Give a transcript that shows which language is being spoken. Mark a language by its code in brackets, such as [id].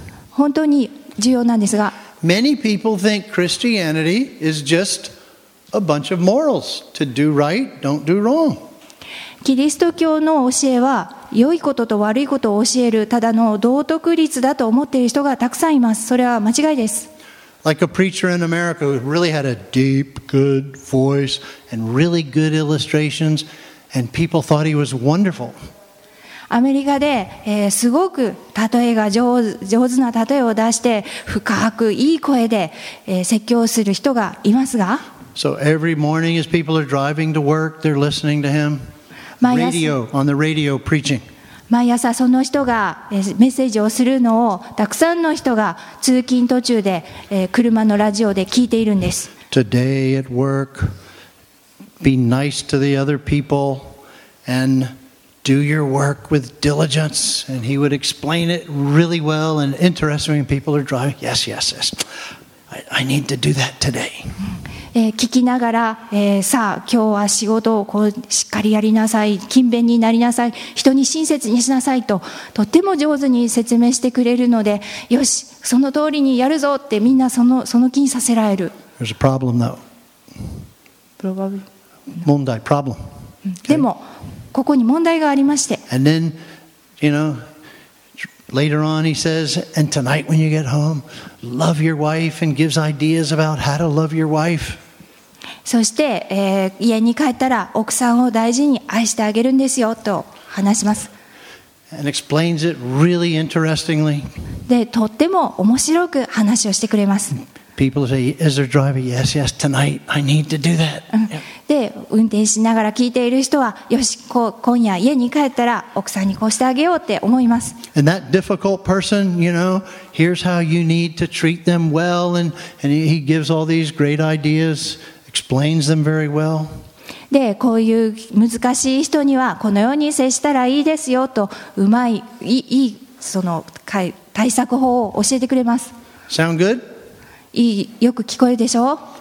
[ja] 本当に重要なんですが、 [en] Many people think Christianity is just a bunch of morals to do right, don't do wrong. [ja] キリスト教の教えは良いことと悪いことを教えるただの道徳律だと思っている人がたくさんいます。それは間違いです。 [en] Like a preacher in America who really had a deep, good voice and really good illustrations, and people thought he was wonderful. [ja] アメリカで、すごく例えが上手な例えを出して深くいい声で、説教する人がいますが、 [en] So every morning as people are driving to work, they're listening to him. Radio, on the radio preaching. [ja] 毎朝その人が、メッセージをするのをたくさんの人が通勤途中で、車のラジオで聞いているんです。 [en] Today at work, be nice to the other people and... Do your work with diligence, and he would explain it really well and interesting. When people are driving, yes, yes, yes. I need to do that today. [ja] 聞きながら、さあ今日は仕事をこうしっかりやりなさい、勤勉になりなさい、人に親切にしなさいととっても上手に説明してくれるので、よしその通りにやるぞってみんなその気にさせられる。 [en] There's a problem though. Probably. [ja] 問題 problem. でも。ここに問題がありまして。 [en] And then, you know, later on he says, and tonight when you get home, love your wife and gives ideas about how to love your wife. [ja] そして、家に帰ったら奥さんを大事に愛してあげるんですよと話します。 [en] And explains it really interestingly. [ja] で、とっても面白く話をしてくれます。 [en] People say, is there driving? Yes, yes, tonight. I need to do that. [ja] で、運転しながら聞いている人は、よし、今夜家に帰ったら奥さんにこうしてあげようって思います。 [en] And that difficult person, you know, here's how you need to treat them well. And he gives all these great ideas, explains them very well. [ja] で、こういう難しい人にはこのように接したらいいですよと、うまい、いい、その対策法を教えてくれます。 [en] Sound good? [ja] よく聞こえるでしょう?